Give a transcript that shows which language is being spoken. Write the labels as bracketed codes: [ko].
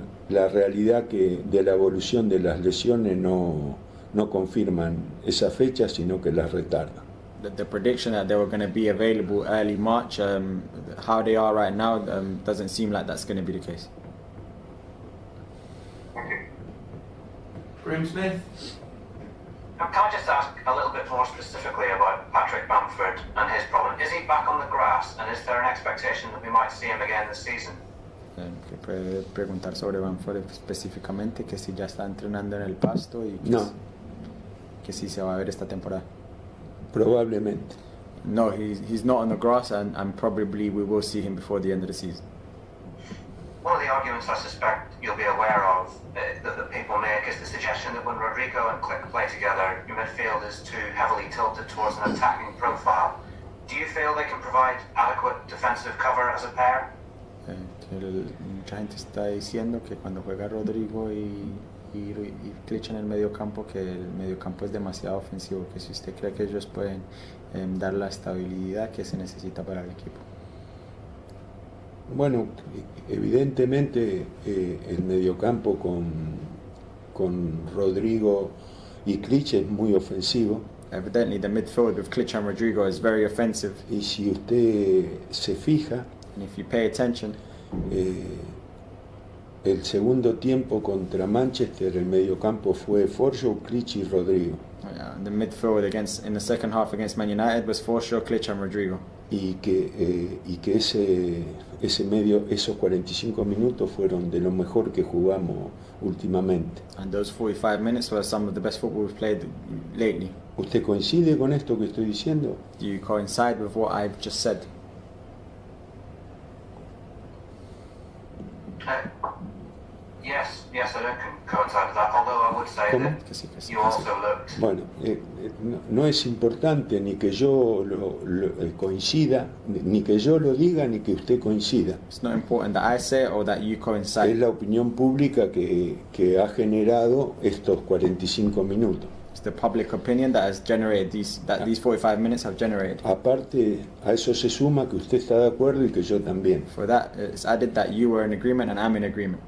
[es] La realidad que de la evolución de las lesiones no confirman esa fecha, sino que las retardan. [en] The prediction that they were going to be available early March, how they are right now, doesn't seem like that's going to be the case. Thank you. Graham Smith. Graham Smith, can I just ask a little bit more specifically about Patrick Bamford and his problem? Is he back on the grass, and is there an expectation that we might see him again this season? [es] Que puede preguntar sobre Bamford específicamente, que si ya está entrenando en el pasto y que, no. Que si se va a ver esta temporada. Probablemente. [en] No, he's not on the grass and probably we will see him before the end of the season. One of the arguments I suspect you'll be aware of that the people make is the suggestion that when Rodrigo and Click play together, your midfield is too heavily tilted towards an attacking profile. Do you feel they can provide adequate defensive cover as a pair? [es] Mucha gente está diciendo que cuando juega Rodrigo y Clichy en el medio campo, que el medio campo es demasiado ofensivo, que si usted cree que ellos pueden dar la estabilidad que se necesita para el equipo. Bueno, evidentemente el medio campo con Rodrigo y Clichy es muy ofensivo. [en] Evidently the midfield with Clichy and Rodrigo is very offensive. [es] Y si usted se fija, [en] and if you pay attention, [es] El segundo tiempo contra Manchester, el mediocampo fue Forshaw, Clichy y Rodrigo. [en] Oh, yeah. The midfield against in the second half against Man United was Forshaw, Clichy and Rodrigo. [es] Y que ese medio, esos 45 minutos fueron de lo mejor que jugamos últimamente. [en] And those 45 minutes were some of the best football we've played lately. [es] ¿Usted coincide con esto que estoy diciendo? [en] Do you coincide with what I've just said? Yes, I don't coincide with that, although I would say [es] ¿cómo? [en] That you also looked... [es] Bueno, no es importante ni que yo lo coincida, ni que yo lo diga, ni que usted coincida. [en] It's not important that I say or that you coincide. [es] Es la opinión pública que ha generado estos 45 minutos. [en] It's the public opinion that has generated these 45 minutes have generated. [es] Aparte, a eso se suma que usted está de acuerdo y que yo también. [en] For that, it's added that you were in agreement and I'm in agreement.